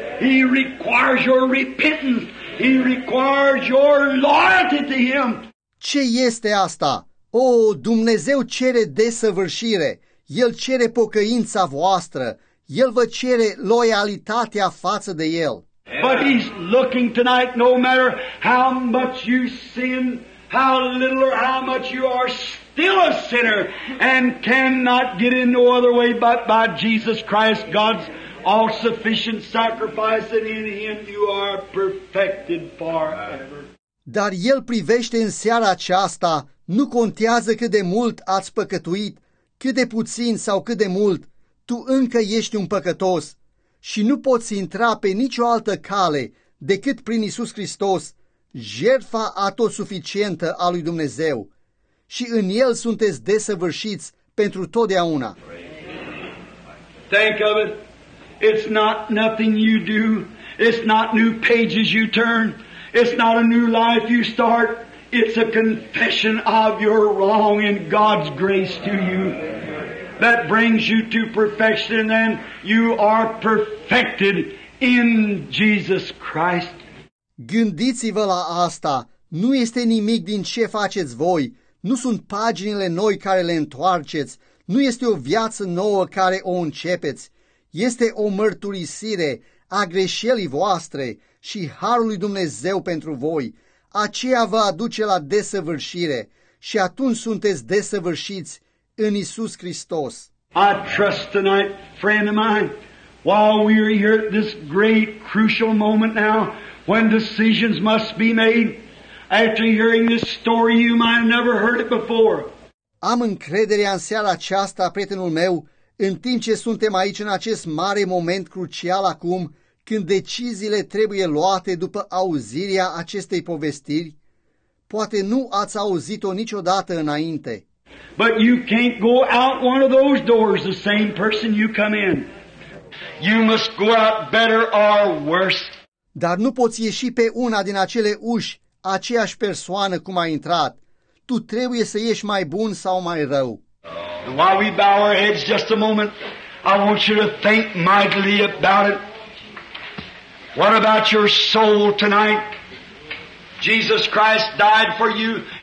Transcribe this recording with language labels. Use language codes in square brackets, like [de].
[en] He requires your repentance. He requires your loyalty to him. [ro] Ce este asta? Oh, Dumnezeu cere desăvârșire. El cere pocăința voastră. El vă cere loialitatea față de El. [en] But he's looking tonight, no matter how much you sin, how little or how much you are still a sinner and cannot get in no other way but by Jesus Christ, God's all-sufficient sacrifice, and in him you are perfected forever. [ro] Dar El privește în seara aceasta, nu contează cât de mult ați păcătuit, cât de puțin sau cât de mult, tu încă ești un păcătos și nu poți intra pe nicio altă cale decât prin Iisus Hristos, jertfa atotsuficientă a lui Dumnezeu. Și în El sunteți desăvârșiți pentru totdeauna. [en] Think of it. It's not nothing you do. It's not new pages you turn. It's not a new life you start. It's a confession of your wrong and God's grace to you. That brings you to perfection and then you are perfected in Jesus Christ. [ro] Gândiți-vă la asta. Nu este nimic din ce faceți voi. Nu sunt paginile noi care le întoarceți. Nu este o viață nouă care o începeți. Este o mărturisire a greșelii voastre și harul lui Dumnezeu pentru voi. Aceea vă aduce la desăvârșire și atunci sunteți desăvârșiți în Iisus Hristos. [en] I trust tonight, friend of mine, while we are here at this great crucial moment now, when decisions must be made, after hearing this story, you might have never heard it before. [ro] Am încrederea în seara aceasta, prietenul meu, în timp ce suntem aici în acest mare moment crucial acum, când deciziile trebuie luate după auzirea acestei povestiri, poate nu ați auzit-o niciodată înainte. [en] But you can't go out one of those doors the same person you come in. You must go out better or worse. [ro] Dar nu poți ieși pe una din acele uși aceeași persoană cum ai intrat. Tu trebuie să ieși mai bun sau mai rău. [en] While we bow our heads just a moment, I want you to think mightily about it. What about your soul tonight? Jesus Christ died for you.